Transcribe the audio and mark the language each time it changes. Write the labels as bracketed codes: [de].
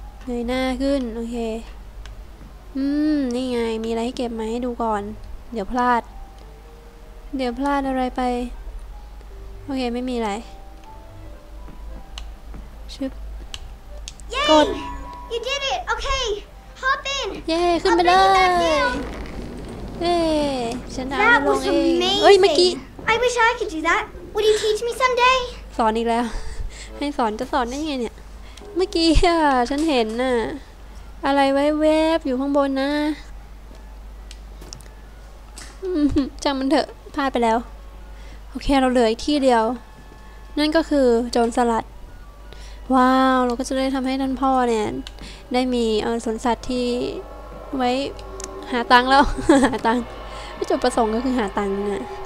[th] อยหน้าขึ้นโอเคนี่ไงมีอะไรให้เก็บไหมให้ดูก่อนเดี๋ยวพลาดอะไรไปโอเคไม่มีอะไรชึบ กด [en] you did it okay hop in [th] เย้ขึ้นไปเลยเฮ้ฉันได้ลงเองเฮ้ยเมื่อกี้ [en] I wish I could do thatWould you teach me someday? [th] สอนอีกแล้วให้สอนจะสอนได้ยังไงเนี่ยเมื่อกี้ฉันเห็นน่ะอะไรไว้แวบอยู่ข้างบนนะจำมันเถอะพลาดไปแล้วโอเคเราเหลืออีกที่เดียวนั่นก็คือโจรสลัดว้าวเราก็จะได้ทำให้ท่านพ่อเนี่ยได้มีสวนสัตว์ที่ไว้หาตังค์แล้วหาตังค์จุดประสงค์ก็คือหาตังค์น่ะ